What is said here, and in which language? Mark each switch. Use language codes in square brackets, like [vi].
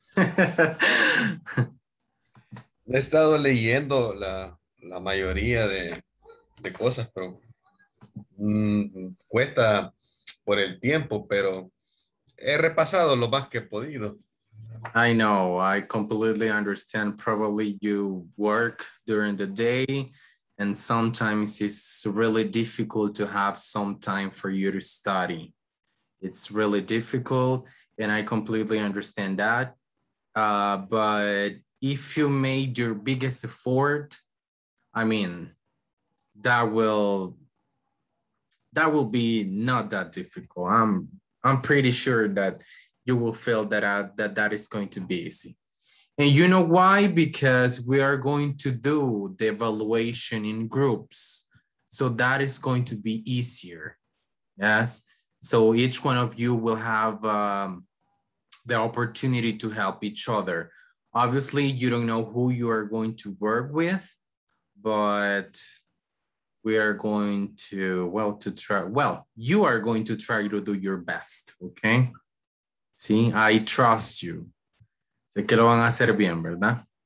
[es] He estado leyendo la mayoría de cosas, pero cuesta por el tiempo, pero he repasado lo más que he podido. [en] I know, I completely understand. Probably you work during the day and sometimes it's really difficult to have some time for you to study. It's really difficult and I completely understand that. But if you made your biggest effort, I mean, that will be not that difficult. I'm pretty sure that you will feel that is going to be easy. And you know why? Because we are going to do the evaluation in groups. So that is going to be easier. Yes. So each one of you will have the opportunity to help each other. Obviously, you don't know who you are going to work with, but we are going to, well, to try, well, you are going to try to do your best, okay? Sí, I trust you. [es] Sé que lo van a hacer bien, ¿verdad?